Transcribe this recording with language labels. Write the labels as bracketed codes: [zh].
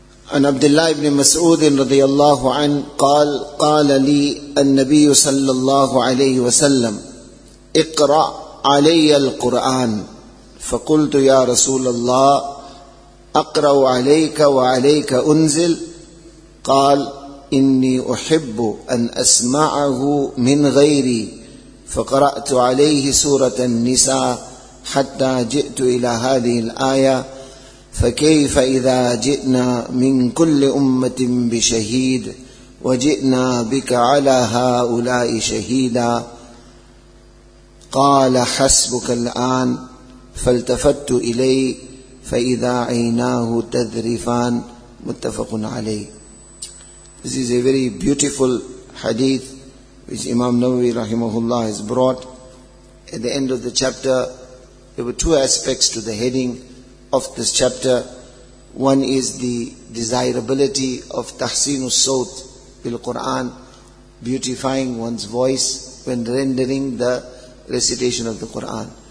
[ar] An Abdullah ibn Mas'ud radiyallahu an qala li an-nabiy sallallahu alayhi wa sallam iqra' alayya al-quran faqultu ya rasulullah aqra'u alayka wa alayka unzil qala إني أحب أن أسمعه من غيري فقرأت عليه سورة النساء حتى جئت إلى هذه الآية فكيف إذا جئنا من كل أمة بشهيد وجئنا بك على هؤلاء شهيدا قال حسبك الآن فالتفت إليه فإذا عيناه تذرفان متفق عليه. [en] This is a very beautiful hadith which Imam Nawawi rahimahullah has brought. At the end of the chapter, there were two aspects to the heading of this chapter. One is the desirability of tahsinus sawt bil Quran, beautifying one's voice when rendering the recitation of the Quran.